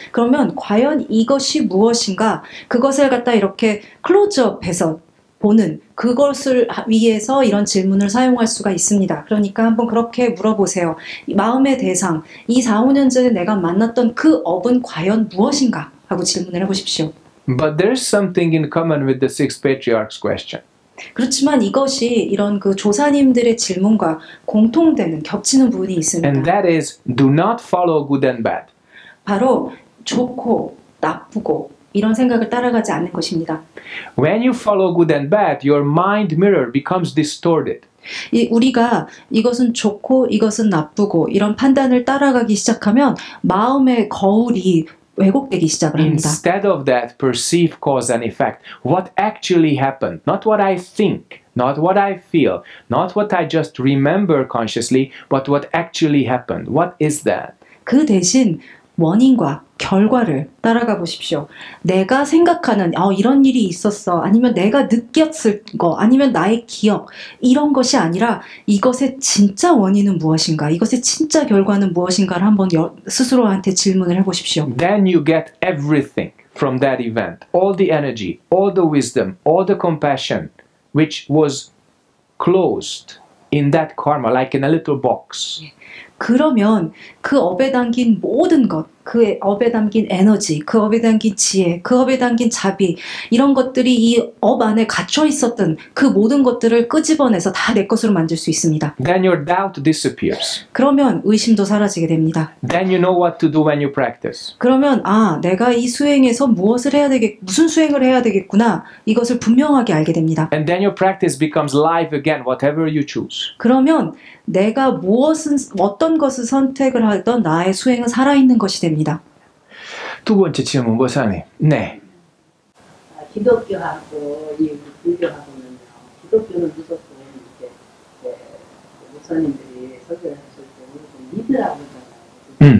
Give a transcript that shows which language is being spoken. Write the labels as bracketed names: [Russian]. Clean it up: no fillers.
[Korean] 그러면 과연 이것이 무엇인가? 그것을 갖다 이렇게 클로즈업해서 보는 그것을 위해서 이런 질문을 사용할 수가 있습니다. 그러니까 한번 그렇게 물어보세요. 마음의 대상, 이 4, 5년 전에 내가 만났던 그 업은 과연 무엇인가? 하고 질문을 해보십시오. [English] But there's something in common with the six patriarchs question. [Korean] 그렇지만 이것이 이런 그 조사님들의 질문과 공통되는, 겹치는 부분이 있습니다. [English] And that is, do not follow good and bad. [Korean] 바로 좋고 나쁘고 이런 생각을 따라가지 않는 것입니다. [English] When you follow good and bad, your mind mirror becomes distorted. [Korean] 이 우리가 이것은 좋고 이것은 나쁘고 이런 판단을 따라가기 시작하면 마음의 거울이 왜곡되기 시작을 합니다. [English] Instead of that, perceive cause and effect. What actually happened? Not what I think, not what I feel, not what I just remember consciously, but what actually happened. What is that? [Korean] 그 대신 원인과 결과를 따라가 보십시오. 내가 생각하는 이런 일이 있었어 아니면 내가 느꼈을 거 아니면 나의 기억 이런 것이 아니라 이것의 진짜 원인은 무엇인가 이것의 진짜 결과는 무엇인가를 한번 스스로한테 질문을 해보십시오. [English] Then you get everything from that event. All the energy, all the wisdom, all the compassion which was closed in that karma like in a little box. [Korean] 그러면 그 업에 담긴 모든 것, 그 업에 담긴 에너지, 그 업에 담긴 지혜, 그 업에 담긴 자비 이런 것들이 이 업 안에 갇혀 있었던 그 모든 것들을 끄집어내서 다 내 것으로 만들 수 있습니다. [English] Then your doubt disappears. [Korean] 그러면 의심도 사라지게 됩니다. [English] Then you know what to do when you practice. [Korean] 그러면 내가 이 수행에서 무엇을 해야 되겠, 무슨 수행을 해야 되겠구나 이것을 분명하게 알게 됩니다. [English] And then your practice becomes live again, whatever you choose. [Korean] 그러면 내가 무엇은 어떤 것을 선택을 하던 나의 수행은 살아있는 것이 됩니다. 두 번째 질문, 보사님. 네. 기독교하고 이 불교하고는 기독교는 무조건 이제 보사님들이 설교하실 때 믿으라고 하잖아요.